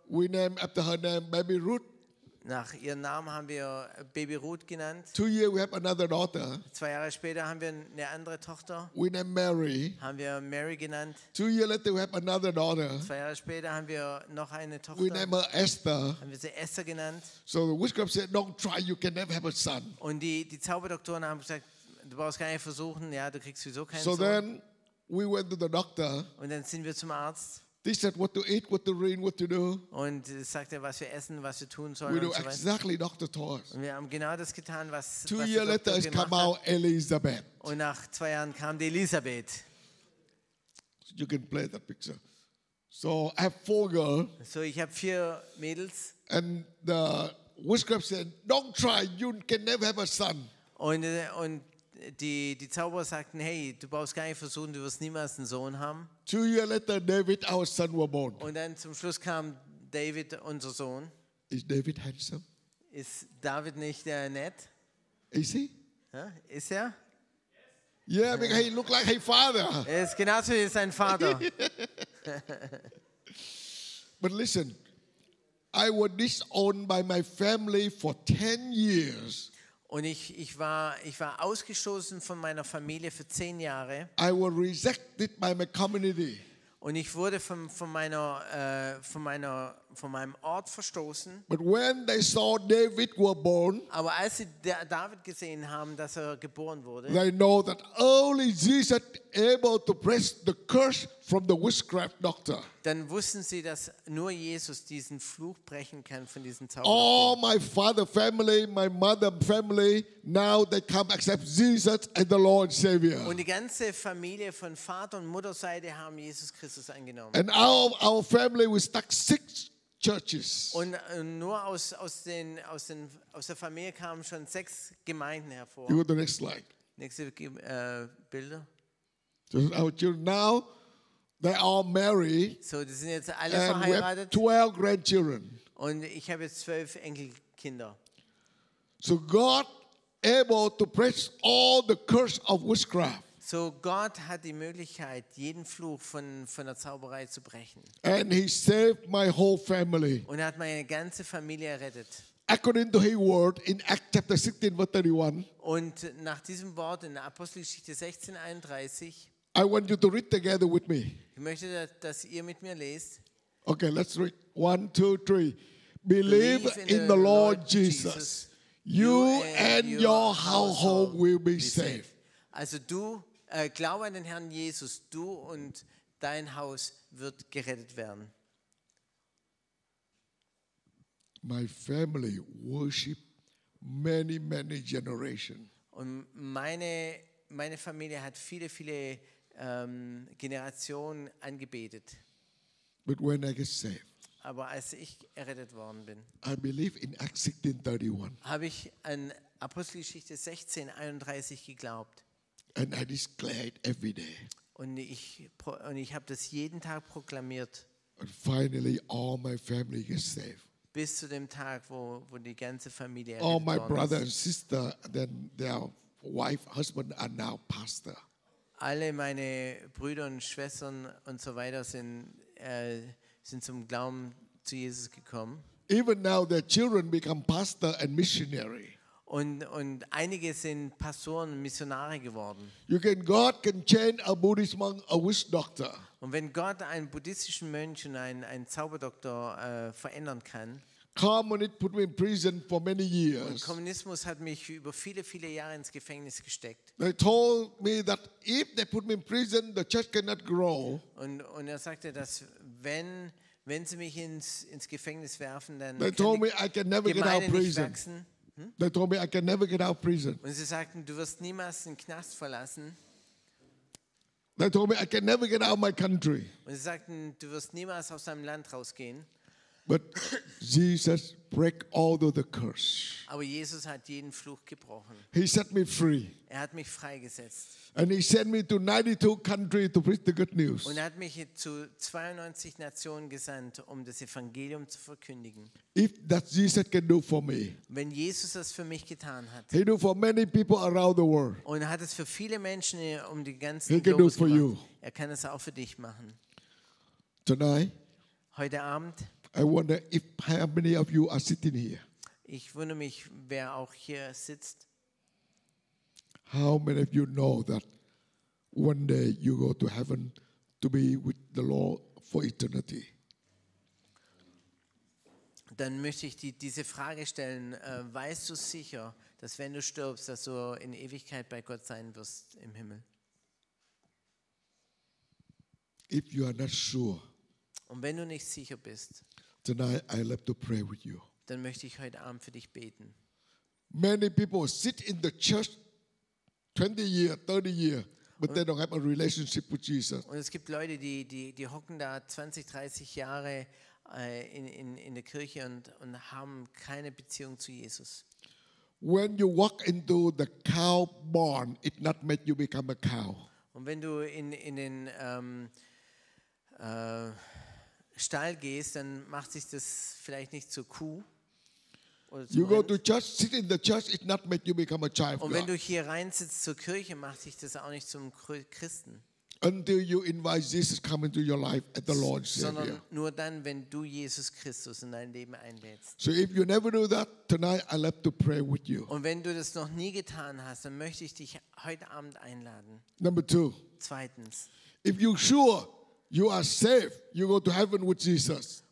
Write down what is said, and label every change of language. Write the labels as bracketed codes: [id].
[en] We name after her name Baby Ruth. [de] Nach ihrem Namen haben wir Baby Ruth genannt. [en] 2 years we have another daughter. [de] 2 Jahre später haben wir eine andere Tochter. [en] We name Mary. [de] Haben wir Mary genannt. [en] 2 years later we have another daughter. [de] 2 Jahre später haben wir noch eine Tochter. [en] We name her Esther. [de] Haben wir sie Esther genannt. [en] So the witchcraft said, don't try, you can never have a son. [de] Und die Zauberdoktoren haben gesagt, du brauchst gar nicht versuchen, ja, du kriegst sowieso keinen Sohn. [en] So then we went to the doctor. [de] Und dann sind wir zum Arzt. [en] They said what to eat, what to drink, what to do. [de] Und sagte, was wir essen, was wir tun sollen. [en] We do exactly Dr. Thor. [de] Wir haben genau das getan, was. [en] 2 years later, it came out Elizabeth. [de] Und nach 2 Jahren kam die Elisabeth. [en] You can play that picture. So I have 4 girls. [de] So ich habe 4 Mädels. [en] And the witchcraft said, don't try, you can never have a son. [de] Und die Zauberer sagten, hey, du brauchst gar nicht versuchen, du wirst niemals einen Sohn haben. [en] 2 years later, David, our son, was born. [de] Und dann zum Schluss kam David, unser Sohn. [en] Is David handsome? [de] Ist David nicht nett? [en] Is he? [de] Huh? Ist er? [en] Yes. Yeah, because he looked like his father. [de] Er ist genauso wie sein Vater. [en] But listen, I was disowned by my family for 10 years. [de] Und ich war ausgeschlossen von meiner Familie für 10 Jahre. [en] I was rejected by my community. [de] Und ich wurde von meinem Ort verstoßen. [en] But when they saw David were born, [de] aber als sie David gesehen haben, dass er geboren wurde, [en] they know that only Jesus able to press the curse from the witchcraft doctor. [de] Dann wussten sie, dass nur Jesus diesen Fluch brechen kann von diesen Zauberern. [en] All my father family, my mother family, now they come accept Jesus as the Lord and Savior. [de] Und die ganze Familie von Vater und Mutter Seite haben Jesus Christus angenommen. [en] And our family we stuck 6 churches. [de] Und nur aus der Familie kamen schon 6 Gemeinden hervor. [en] You go to the next slide. [de] Nächste Bilder. [en] So our children now. They are married. [de] So, die sind jetzt alle verheiratet. [en] And we have 12 grandchildren. [de] Und ich habe jetzt 12 Enkelkinder. [en] So God able to press all the curse of witchcraft. [de] So God hat die Möglichkeit, jeden Fluch von der Zauberei zu brechen. [en] And he saved my whole family. [de] Und er hat meine ganze Familie errettet. [en] According to his word in Acts chapter 16 verse 31. [de] Und nach diesem Wort in Apostelgeschichte 16, 31. [en] I want you to read together with me. [de] Ich möchte, dass ihr mit mir lest. [en] Okay, let's read. 1, 2, 3. Believe in the Lord Jesus. You and your household will be saved. [de] Also du, glaube an den Herrn Jesus. Du und dein Haus wird gerettet werden. [en] My family worship many, many generations. [de] Und meine Familie hat viele, viele Generation angebetet. [en] But when I get saved, [de] aber als ich errettet worden bin, [en] I believe in Acts 16:31. [de] Habe ich an Apostelgeschichte 16:31 geglaubt. [en] And I declare it every day. [de] Und ich habe das jeden Tag proklamiert. [en] And finally, all my family gets saved. [de] Bis zu dem Tag, wo die ganze Familie errettet worden ist. [en] All my brother and sister, then their wife, husband are now pastor. [de] Alle meine Brüder und Schwestern und so weiter sind zum Glauben zu Jesus gekommen. [en] Even now their children become pastor and missionary. [de] Und einige sind Pastoren und Missionare geworden. [en] God can change a Buddhist monk, a witch doctor. [de] Und wenn Gott einen buddhistischen Mönch und einen Zauberdoktor verändern kann. [en] Communism put me in prison for many years. [de] Und Kommunismus hat mich über viele, viele Jahre ins Gefängnis gesteckt. [en] They told me that if they put me in prison, the church cannot grow. [de] Und er sagte, dass wenn sie mich ins Gefängnis werfen, dann [en] they told me I can never get out of prison. They told me I can never get out of prison. [de] Und sie sagten, du wirst niemals den Knast verlassen. [en] They told me I can never get out of my country. [de] Und sie sagten, du wirst niemals aus deinem Land rausgehen. [en] But Jesus broke all of the curse. [de] Aber Jesus hat jeden Fluch gebrochen. [en] He set me free. [de] Er hat mich freigesetzt. [en] And he sent me to 92 countries to preach the good news. [de] Und hat mich zu 92 Nationen gesandt, um das Evangelium zu verkündigen. [en] If that Jesus can do for me. [de] Wenn Jesus das für mich getan hat. [en] He do for many people around the world. [de] Und hat es für viele Menschen um die ganze Welt gemacht. [en] He can do for you. [de] Er kann es auch für dich machen. [en] Tonight. [de] Heute Abend. [en] I wonder if how many of you are sitting here. [de] Ich wundere mich, wer auch hier sitzt. [en] How many of you know that one day you go to heaven to be with the Lord for eternity? [de] Dann möchte ich dir diese Frage stellen. Weißt du sicher, dass wenn du stirbst, dass du in Ewigkeit bei Gott sein wirst im Himmel? [en] If you are not sure. [de] Und wenn du nicht sicher bist. [en] Tonight I love to pray with you. [de] Dann möchte ich heute Abend für dich beten. [en] Many people sit in the church 20 years, 30 years, but they don't have a relationship with Jesus. [de] Und es gibt Leute, die hocken da 20, 30 Jahre in der Kirche und haben keine Beziehung zu Jesus. [en] When you walk into the cow barn, it not make you become a cow. [de] Und wenn du in den Stall gehst, dann macht sich das vielleicht nicht zur Kuh. [en] You go to church, sit in the church, it not make you become a child of God. [de] Und wenn du hier reinsitzt zur Kirche, macht dich das auch nicht zum Christen. [en] Until you invite Jesus come into your life at the Lord's Savior. [de] Sondern nur dann, wenn du Jesus Christus in dein Leben einlädst. [en] So if you never do that, tonight I'd love to pray with you. [de] Und wenn du das noch nie getan hast, dann möchte ich dich heute Abend einladen. [en] Number two. [de] Zweitens. [en] If you sure you are safe, you go to heaven with Jesus.